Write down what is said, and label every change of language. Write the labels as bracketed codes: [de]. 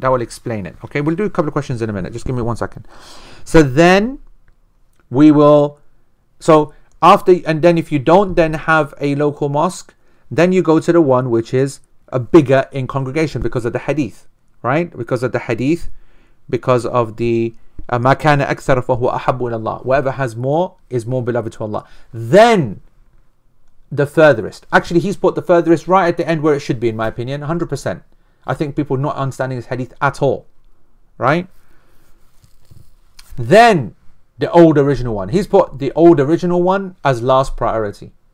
[en] That will explain it. Okay, we'll do a couple of questions in a minute. Just give me 1 second. So then we will... So after... And then if you don't then have a local mosque, then you go to the one which is a bigger in congregation because of the hadith, right? Because of the hadith, because of the... [ar] ما كان أكثر فهو أحب إلى الله. [en] Whoever has more is more beloved to Allah. Then... the furthest. Actually, he's put the furthest right at the end where it should be, in my opinion, 100%. I think people not understanding this hadith at all, right? Then, the old original one. He's put the old original one as last priority.